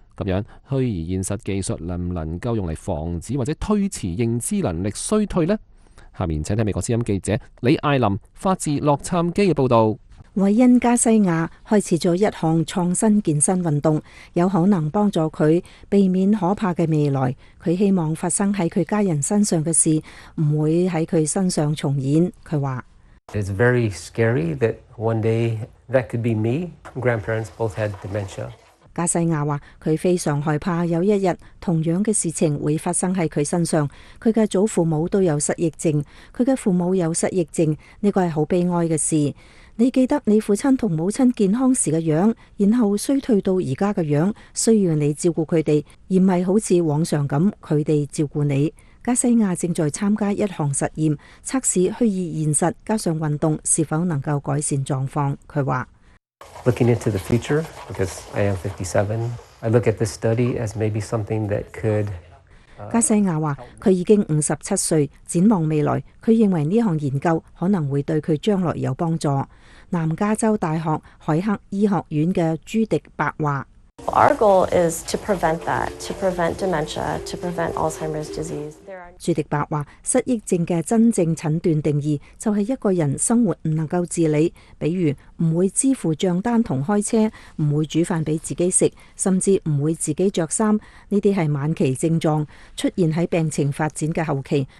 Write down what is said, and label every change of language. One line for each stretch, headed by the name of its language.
Chinese: 这样虚拟现实技术能不能够用来防止或者推迟认知能力衰退呢？下面请听美国之音记者李艾琳发自洛杉矶的报道。韦恩加西亚开始了一项创新健身运动，有可能帮助他避免可怕的未来。他希望发生在他家人身上的事不会在他身上重演。他说
English: It's very scary that one day that could be me. Grandparents both had dementia.
Chinese: 加西亚说他非常害怕有一日同样的事情会发生在他身上。他的祖父母都有失忆症，他的父母有失忆症，这个是很悲哀的事。你记得你父亲和母亲健康时的样子，然后衰退到现在的样子，需要你照顾他们，而不是好像往常那样他们照顾你。加西亚正在参加一项实验，测试虚拟现实加上运动是否能够改善状况。他说
English: Looking into the future, because I am 57, I look at this study as maybe something that could...
Chinese: 加西亚说他已经57岁，展望未来，他认为这项研究可能会对他将来有帮助。南加州大学海克医学院的朱迪伯说
English: Our goal is to prevent that, to prevent dementia, to prevent Alzheimer's disease.
Chinese: 朱迪伯说失忆症的真正诊断定义就是一个人生活不能够自理，比如不会支付账单和开车，不会煮饭给自己吃，甚至不会自己着衫，这些是晚期症状，出现在病情发展的后期。